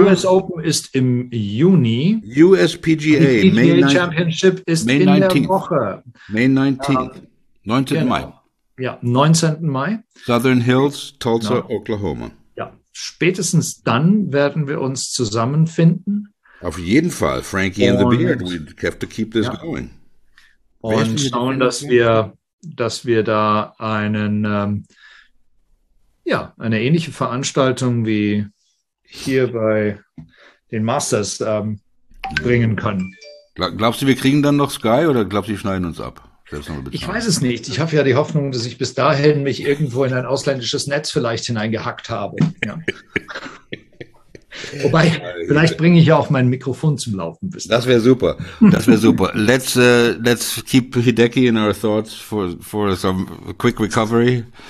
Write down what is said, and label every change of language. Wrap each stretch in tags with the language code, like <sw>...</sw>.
<de>Die US Open ist im Juni. US PGA. Die PGA Championship ist</de> <en>May 19th.</en> <de>In der Woche.</de> <en>May 19th.</en> <de>19. Mai. Ja, 19. Mai. Southern Hills, Tulsa, Oklahoma. Ja, spätestens dann werden wir uns zusammenfinden. Auf jeden Fall,</de> <en>Frankie and the Beard, we have to keep this going.</en> <de>Und schauen, dass wir da eine ähnliche Veranstaltung wie hier bei den Masters bringen können. Glaubst du, wir kriegen dann noch Sky, oder glaubst du, die schneiden uns ab? Ich weiß es nicht. Ich habe ja die Hoffnung, dass ich bis dahin mich irgendwo in ein ausländisches Netz vielleicht hineingehackt habe. Ja. Wobei, vielleicht bringe ich ja auch mein Mikrofon zum Laufen. Das wäre super. Das wäre super.</de> <en>Let's keep Hideki in our thoughts for some quick recovery.</en>